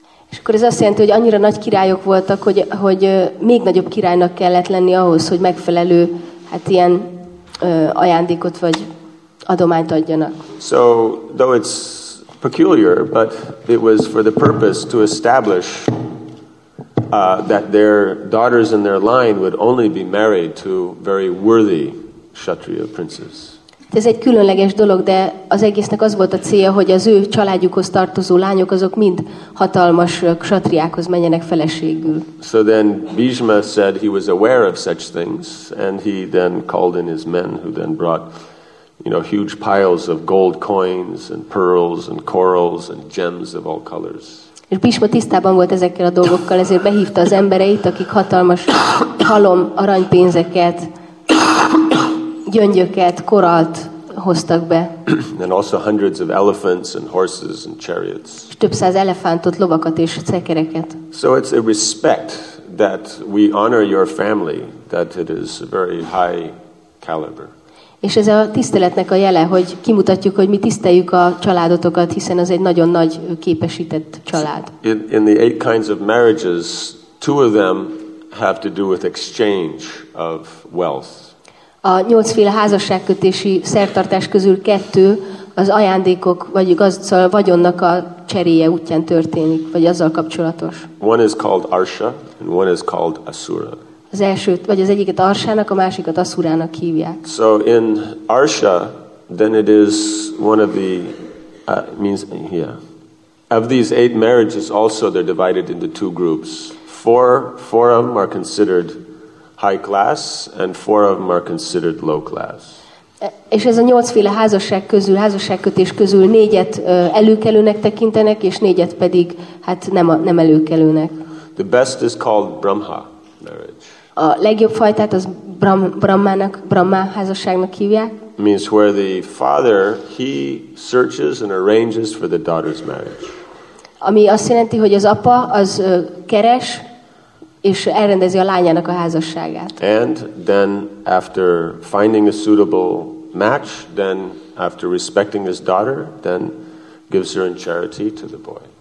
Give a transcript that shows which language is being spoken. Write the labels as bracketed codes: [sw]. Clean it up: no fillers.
[hu] És akkor ez azt jelenti, hogy annyira nagy királyok voltak, hogy, hogy még nagyobb királynak kellett lenni ahhoz, hogy megfelelő hát ilyen ajándékot vagy adományt adjanak. [en] So, though it's peculiar, but it was for the purpose to establish that their daughters in their line would only be married to very worthy Kshatriya princes. [hu] Ez egy különleges dolog, de az egésznek az volt a célja, hogy az ő családjukhoz tartozó lányok azok mind hatalmas ksatriákhoz menjenek feleségül. [en] So then Bhishma said he was aware of such things, and he then called in his men, who then brought, you know, huge piles of gold coins and pearls and corals and gems of all colors. [hu] És Bhishma tisztában volt ezekkel a dolgokkal, ezért behívta az embereit, akik hatalmas halom aranypénzeket, gyöngyöket, koralt hoztak be. [en] And also hundreds of elephants and horses and chariots. [hu] Több száz elefántot, lovakat és szekereket. [en] So it's a respect that we honor your family, that it is a very high caliber. [hu] És ez a tiszteletnek a jele, hogy kimutatjuk, hogy mi tiszteljük a családotokat, hiszen az egy nagyon nagy képesített család. [en] In the eight kinds of marriages, two of them have to do with exchange of wealth. [hu] A nyolcféle házasságkötési szertartás közül kettő az ajándékok vagy gazdasági vagyonnak a cseréje útján történik, vagy azzal kapcsolatos. [en] One is called Arsha and one is called Asura. [hu] Az elsőt, vagy az egyiket Arsának, a másikat Asurának hívják. [en] So in Arsha, then it is one of the means here. Yeah. Of these eight marriages, also they're divided into two groups. Four of them are considered high class, and four of them are considered low class. [hu] És ez a nyolcféle házasság közül, házasságkötés közül négyet előkelőnek tekintenek, és négyet pedig hát nem előkelőnek. [en] The best is called Brahma marriage. [hu] A legjobb fajtát az Brahma házasságnak hívják. [en] Means where the father, he searches and arranges for the daughter's marriage. [hu] Ami azt jelenti, hogy az apa az keres és elrendezi a lányának a házasságát. [en] And then after finding a suitable match, then after respecting his daughter, then gives her in charity to the boy.